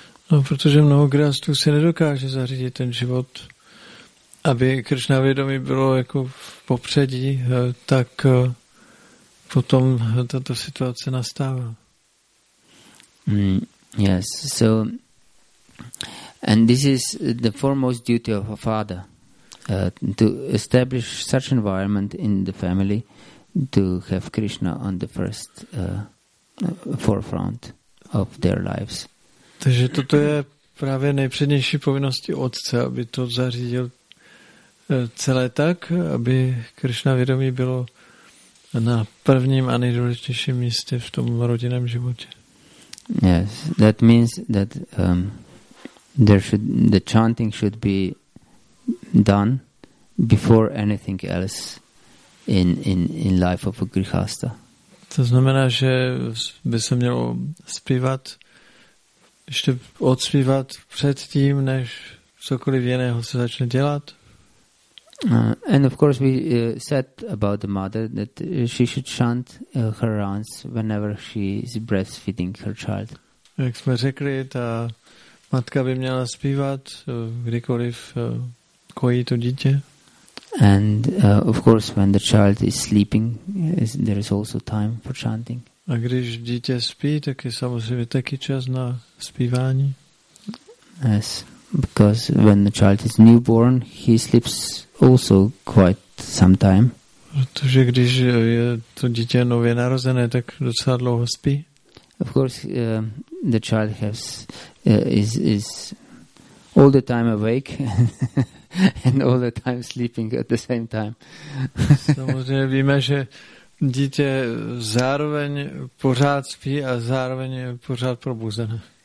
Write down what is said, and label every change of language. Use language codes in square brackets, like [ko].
[cs] No, protože mnohokrát tu si nedokáže zařídit ten život, aby Krishna vědomí bylo jako v popředí, tak potom tato situace nastává. [en] Yes, so and this is the foremost duty of a father to establish such environment in the family to have Krishna on the first forefront of their lives. [cs] Takže toto je právě nejpřednější povinnosti otce, aby to zařídil celé tak, aby Krishna vědomí bylo na prvním a nejdůležitějším místě v tom rodinném životě. [en] Yes, that means that the chanting should be done before anything else in life of a grihastha. [cs] To znamená, že by se mělo zpívat, ještě odspívat před tím, než cokoliv jiného se začne dělat. [en] And of course we said about the mother that she should chant her rounds whenever she is breastfeeding her child. [cs] Jak jsme řekli, ta matka by měla zpívat kdykoliv kojí to dítě. [en] And of course when the child is sleeping there is also time for chanting. [cs] A když dítě spí, tak je samozřejmě taky čas na zpívání. [en] Yes, because when the child is newborn, he sleeps also quite some time. [cs] Protože když je to dítě nově narozené, tak docela dlouho spí. [en] Of course, the child has is all the time awake and all the time sleeping at the same time. [cs] Samozřejmě víme, že dítě zároveň pořád spí a zároveň je pořád probuzené.